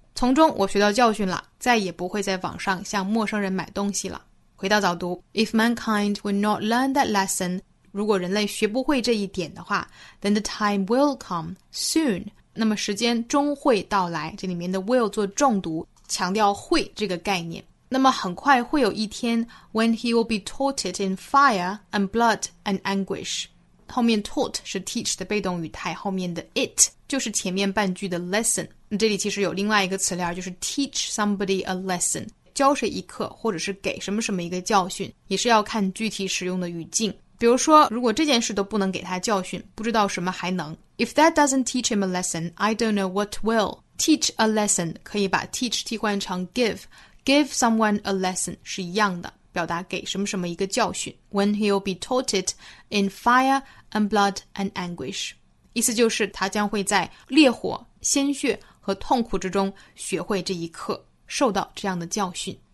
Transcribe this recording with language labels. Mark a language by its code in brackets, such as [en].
[zh] 从中我学到教训了，再也不会在网上向陌生人买东西了。回到早读 [en] If mankind will not learn that lesson, [zh] 如果人类学不会这一点的话 [en] then the time will come soon. [zh] 那么时间终会到来，这里面的 will 做重读，强调会这个概念。那么很快会有一天 [en] when he will be taught it in fire and blood and anguish. [zh] 后面 taught 是 teach 的被动语态，后面的 it 就是前面半句的 lesson. 这里其实有另外一个词链，就是 [en] teach somebody a lesson, [zh] 教谁一课或者是给什么什么一个教训，也是要看具体使用的语境。比如说如果这件事都不能给他教训，不知道什么还能。 [en] If that doesn't teach him a lesson, I don't know what will. Teach a lesson 可以把 teach 替换成 give. Give someone a lesson [zh] 是一样的，表达给什么什么一个教训。 [en] When he'll be taught it in fire and blood and anguish. [zh] 意思就是他将会在烈火、鲜血和痛苦之中学会这一课，受到这样的教训。